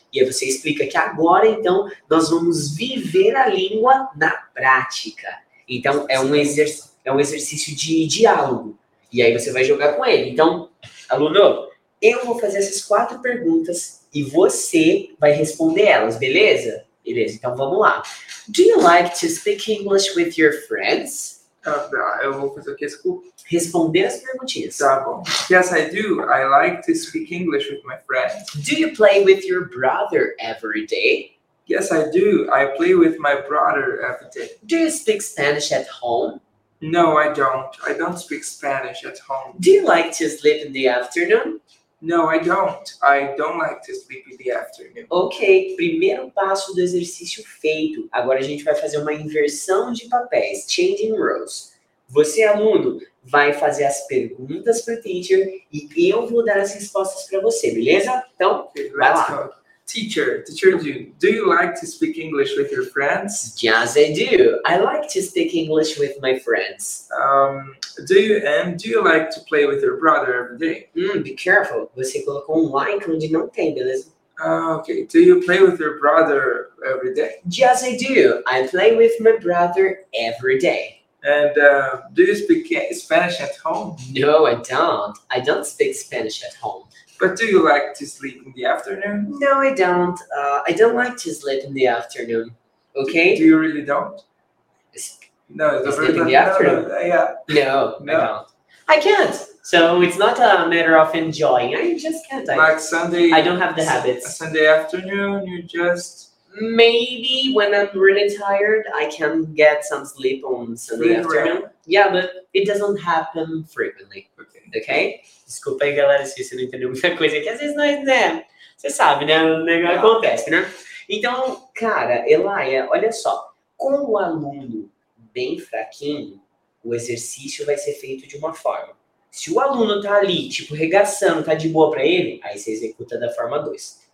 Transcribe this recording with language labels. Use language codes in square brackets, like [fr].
[pt] E aí você explica que agora, então, nós vamos viver a língua na prática. Então, é um exercício de diálogo. E aí você vai jogar com ele. Então, aluno, eu vou fazer essas 4 perguntas e você vai responder elas, beleza? Beleza, então vamos lá. [en] Do you like to speak English with your friends? [pt] Eu vou fazer o que? Responder as perguntinhas. Tá bom. [en] Yes, I do. I like to speak English with my friends. Do you play with your brother every day? Yes, I do. I play with my brother every day. Do you speak Spanish at home? No, I don't. I don't speak Spanish at home. Do you like to sleep in the afternoon? No, I don't. I don't like to sleep in the afternoon. [pt] Ok, primeiro passo do exercício feito. Agora a gente vai fazer uma inversão de papéis, [en] changing roles. [pt] Você, aluno, vai fazer as perguntas para o teacher e eu vou dar as respostas para você, beleza? Então, [en] okay, let's go. Teacher, do you like to speak English with your friends? Yes, I do. I like to speak English with my friends. Do you like to play with your brother every day? Be careful. [pt] Você colocou um like onde não tem, beleza? [en] Okay. Do you play with your brother every day? Yes, I do. I play with my brother every day. And do you speak Spanish at home? No, I don't. I don't speak Spanish at home. But do you like to sleep in the afternoon? No, I don't. I don't like to sleep in the afternoon. Okay? Do you really don't? No, sleep in the afternoon? Yeah. No, I don't. I can't. So it's not a matter of enjoying. I just can't. Like Sunday. I don't have the habits. Sunday afternoon, you just. Maybe when I'm really tired, I can get some sleep on Sunday afternoon. Rare. Yeah, but it doesn't happen frequently. Okay. [pt] Desculpa aí, galera, se você não entendeu muita coisa. Que às vezes nós, né? Você sabe, né? O negócio acontece, né? Então, cara, Elaia, olha só. Com o aluno bem fraquinho, o exercício vai ser feito de uma forma. Se o aluno tá ali, tipo, regaçando, tá de boa pra ele, aí você executa da forma 2.